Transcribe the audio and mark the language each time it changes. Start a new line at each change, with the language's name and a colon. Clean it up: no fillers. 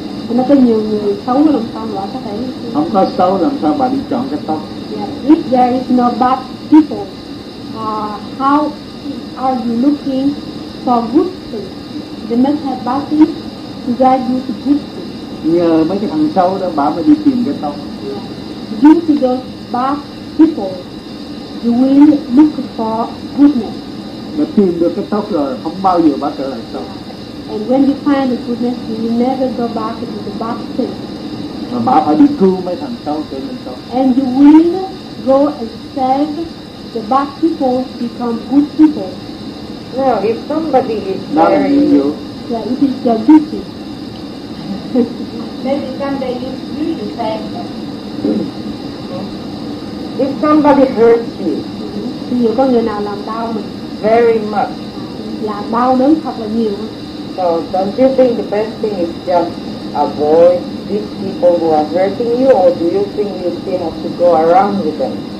Vietnamese: Nó có nhiều người xấu làm sao mà có thể. Không có xấu làm sao bà đi chọn cái tốt?
English: Yeah. If there is no bad people, how are you looking for good things? They must have bad things to guide you to good things.
Vietnamese: Nhờ mấy cái thằng xấu đó bà mới đi tìm cái tốt.
English: Yeah. Due to those bad people, you will look for goodness.
Vietnamese: Mà tìm được cái tốt rồi, không bao giờ bà trở lại xấu.
English: And when you find the goodness, you will never go back to the bad thing.
Vietnamese: Mà bà phải đi cứu mấy thằng xấu trở nên xấu.
English: And you will go and save the bad people to become good people. Well, if somebody is there, not in you. Yeah, it is your duty. Maybe someday you will save them. If somebody hurts you,
Vietnamese: nhiều có người nào làm đau mình
English: very much,
Vietnamese: làm đau đớn thật là nhiều.
English: So don't you think the best thing is just avoid these people who are hurting you, or do you think you still have to go around with them?